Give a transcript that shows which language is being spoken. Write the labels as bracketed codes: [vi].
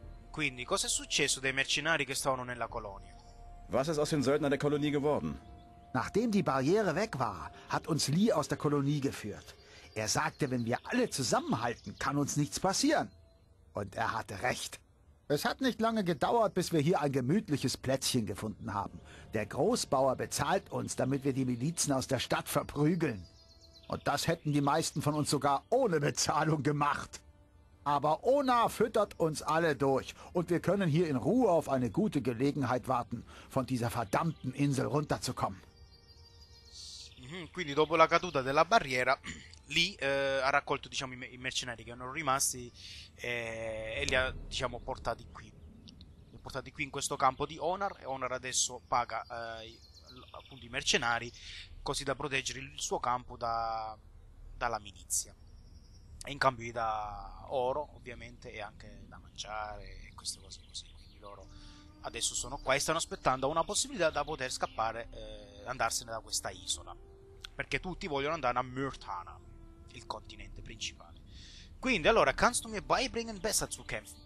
[it] Quindi, cosa è successo dei mercenari che stavano nella colonia? [de] Was ist aus den Söldnern der Kolonie geworden? Nachdem die Barriere weg war, hat uns Lee aus der Kolonie geführt. Er sagte, wenn wir alle zusammenhalten, kann uns nichts passieren. Und er hatte recht. Es hat nicht lange gedauert, bis wir hier ein gemütliches Plätzchen gefunden haben. Der Großbauer bezahlt uns, damit wir die Milizen aus der Stadt verprügeln. Und das hätten die meisten von uns sogar ohne Bezahlung gemacht. Aber Ona füttert uns alle durch und wir können hier in Ruhe auf eine gute Gelegenheit warten, von dieser verdammten Insel runterzukommen. [it] Quindi dopo la caduta della barriera, Lee ha raccolto, diciamo, i mercenari che erano rimasti e li ha, diciamo, portati qui. Li ha portati qui in questo campo di Onar, e Onar adesso paga appunto i mercenari così da proteggere il suo campo dalla milizia. E in cambio gli dà oro, ovviamente, e anche da mangiare e queste cose così. Quindi loro adesso sono qua e stanno aspettando una possibilità da poter scappare, andarsene da questa isola. Perché tutti vogliono andare a Myrtana, il continente principale. Quindi, allora, [de] kannst du mir beibringen besser zu kämpfen?